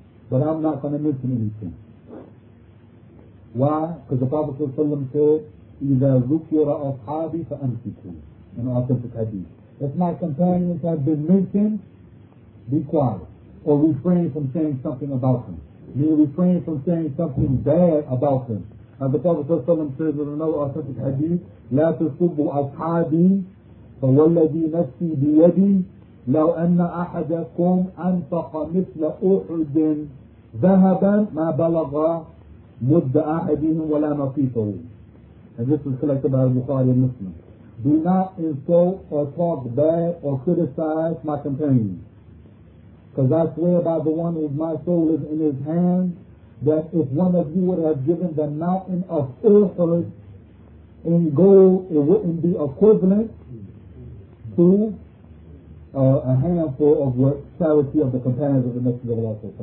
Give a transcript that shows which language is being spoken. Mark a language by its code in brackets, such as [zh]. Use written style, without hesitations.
[en] But I'm not going to mention anything. Why? Because the Prophet ﷺ said, [ar] إِذَا ذُكِرَ أَصْحَابِ فَأَمْسِكُوا [en] in authentic hadith. If my companions have been mentioned, be quiet. Or refrain from saying something about them. Meaning refrain from saying something bad about them. And the Prophet ﷺ said in another authentic hadith, [ar] لَا تَصُبُوا أَصْحَابِ فَوَالَّذِي نَفْسِي بِيَدِي لَوْ أَنَّ أَحَدَكُمْ أَنْفَقَ مِثْلَ أُحُدٍ ذَهَبًا مَا بَلَغَ مُدَّ أَحَدِهِمْ وَلَا نَصِيفَهُ. [en] And this is collected by Bukhari and Muslim. Do not insult or talk bad or criticize my companions. Because I swear by the one whose my soul is in his hand, that if one of you would have given the mountain of Uhud in gold, it wouldn't be equivalent to a handful of what charity of the companions of the Messenger of Allah.